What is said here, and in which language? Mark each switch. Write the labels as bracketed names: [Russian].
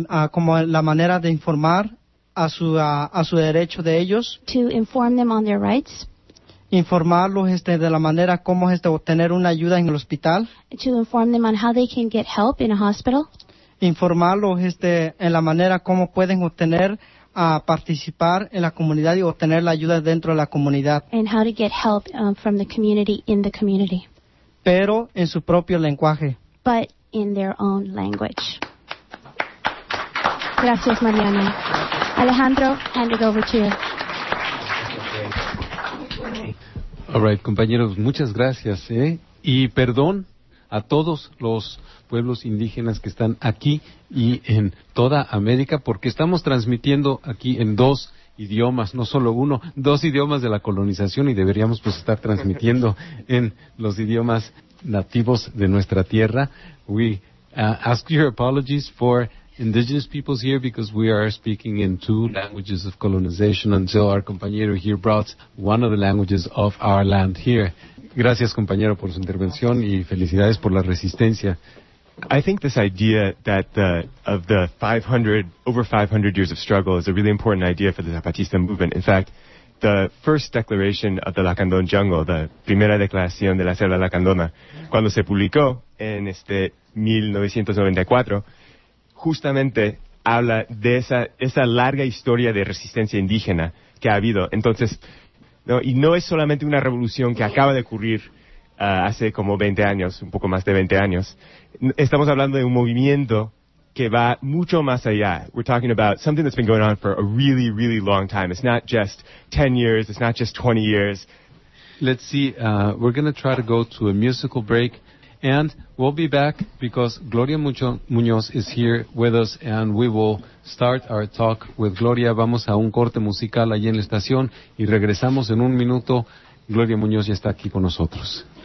[Spanish] Como la manera de informar a su derecho de ellos. [English] To inform them on their rights. [Spanish] Informarlos de la manera como obtener una ayuda en el hospital. [English] To inform them on how they can get help in a hospital. [Spanish] Informarlos en la manera como pueden obtener a participar en la comunidad y obtener la ayuda dentro de la comunidad. [English] And how to get help from the community in the community. [Spanish] Pero en su propio lenguaje. [English] But in their own language. [Spanish] Gracias, [English] Mariana. Alejandro, hand it over to you. All right, [Spanish] compañeros, muchas gracias, y perdón a todos los pueblos indígenas que están aquí y en toda América, porque estamos transmitiendo aquí en 2 idiomas, no solo uno, 2 idiomas de la colonización, y deberíamos estar transmitiendo en los idiomas nativos de nuestra tierra. [English] We ask your apologies for indigenous peoples here because we are speaking in 2 languages of colonization until our compañero here brought one of the languages of our land here. [Spanish] Gracias, compañero, por su intervención y felicidades por la resistencia. [English] I think this idea that over 500 years of struggle is a really important idea for the Zapatista movement. In fact, the first declaration of the Lacandon jungle, the [Spanish] primera declaración de la selva lacandona, cuando se publicó en 1994, justamente habla de esa larga historia de resistencia indígena que ha habido. Entonces, no, y no es solamente una revolución que acaba de ocurrir hace como 20 años, un poco más de 20 años. Estamos hablando de un movimiento que va mucho más allá. [English] We're talking about something that's been going on for a really, really long time. It's not just 10 years, it's not just 20 years. Let's see, we're going to try to go to a musical break, and we'll be back because Gloria Muñoz is here with us, and we will start our talk with Gloria. [Spanish] Vamos a un corte musical allí en la estación, y regresamos en un minuto. Gloria Muñoz ya está aquí con nosotros.